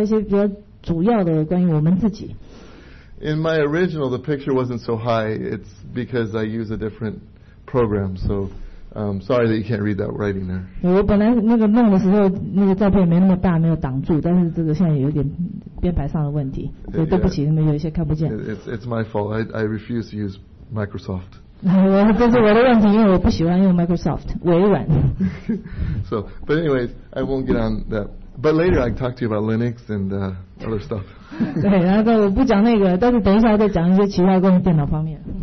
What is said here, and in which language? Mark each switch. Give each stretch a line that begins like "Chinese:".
Chinese: 那牧师刚刚已经是精彩的介绍了我们，但是我想还是跟大家介绍一些比较主要的关于我们自己。
English: In my original, the picture wasn't so high. It's because I use a different program. So, sorry that you can't read that writing there.
Chinese: 我本来那个弄的时候，那个照片没那么大，没有挡住，但是这个现在有点编排上的问题，所以对不起，那么有一些看不见。
English: It's my fault. I refuse to use Microsoft.
Chinese: 这是我的问题，因为我不喜欢用 Microsoft 微软。
English: So, but anyways, I won't get on that. But later I can talk to you about Linux and other stuff.
Chinese: 对，然后我不讲那个，但是等一下再讲一些其他关于电脑方面。